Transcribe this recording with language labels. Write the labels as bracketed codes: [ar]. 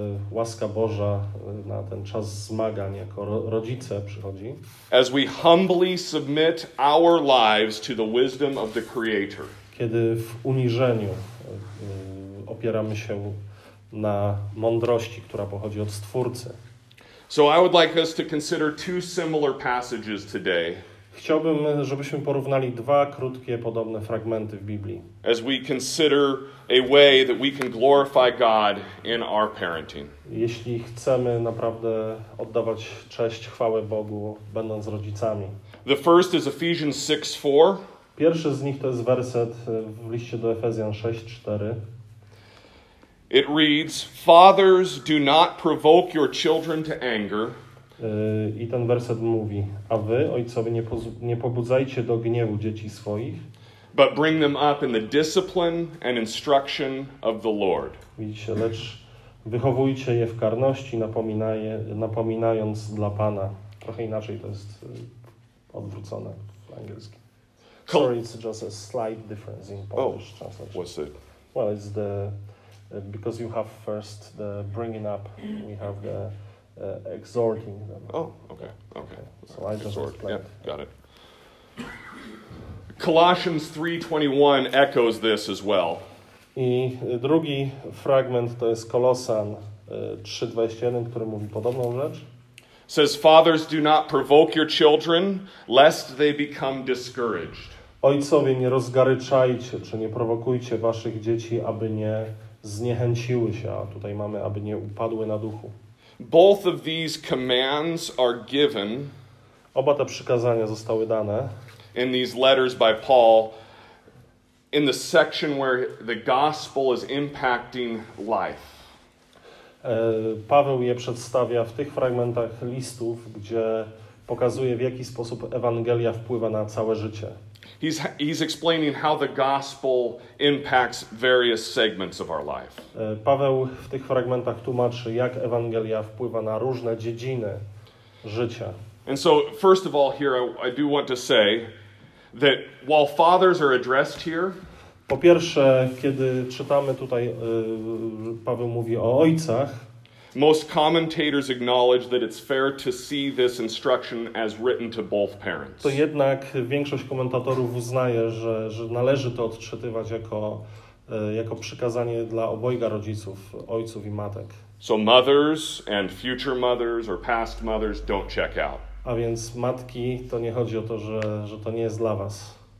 [pl] Łaska Boża na ten czas zmagań jako rodzice przychodzi. [en] As we humbly submit our lives to the wisdom of the Creator. [pl] Kiedy w uniżeniu opieramy się na mądrości, która pochodzi od Stwórcy. [en] So I would like us to consider two similar passages today. [pl] Chciałbym, żebyśmy porównali dwa krótkie, podobne fragmenty w Biblii. [en] As we consider a way that we can glorify God in our parenting. [pl] Jeśli chcemy naprawdę oddawać cześć, chwałę Bogu, będąc rodzicami. [en] The first is Ephesians 6:4. [pl] Pierwszy z nich to jest werset w liście do Efezjan 6:4. [en] It reads, "Fathers, do not provoke your children to anger." [pl] I ten werset mówi: a wy, ojcowie, nie pobudzajcie do gniewu dzieci swoich, [en] but bring them up in the discipline and instruction of the Lord. [pl] Widzicie, lecz wychowujcie je w karności, napominając dla Pana. Trochę inaczej to jest odwrócone w angielskim. [en] Sorry, it's just a slight difference in Polish translation. What's it? Well, it's the because you have first the bringing up, we have the exhorting them. Oh, okay. So I just explained. Yeah, got it. Colossians 3:21 echoes this as well. [pl] I drugi fragment to jest Kolosan 3:21, który mówi podobną rzecz. [en] Says, "Fathers, do not provoke your children, lest they become discouraged." [pl] Ojcowie, nie rozgaryczajcie, czy nie prowokujcie waszych dzieci, aby nie zniechęciły się, a tutaj mamy, aby nie upadły na duchu. [en] Both of these commands are given. [pl] Oba te przykazania zostały dane. [en] In these letters by Paul, in the section where the gospel is impacting life. [pl] Paweł je przedstawia w tych fragmentach listów, gdzie pokazuje, w jaki sposób Ewangelia wpływa na całe życie. [en] He's explaining how the gospel impacts various segments of our life. [pl] Paweł w tych fragmentach tłumaczy, jak Ewangelia wpływa na różne dziedziny życia. [en] And so, first of all, here I do want to say that while fathers are addressed here, [pl] po pierwsze, kiedy czytamy tutaj, Paweł mówi o ojcach. [en] Most commentators acknowledge that it's fair to see this instruction as written to both parents. [pl] To jednak większość komentatorów uznaje, że należy to odczytywać jako przykazanie dla obojga rodziców, ojców i matek. [en] So mothers and future mothers or past mothers don't check out. [pl] A więc matki, to nie chodzi o to, że to nie jest dla was.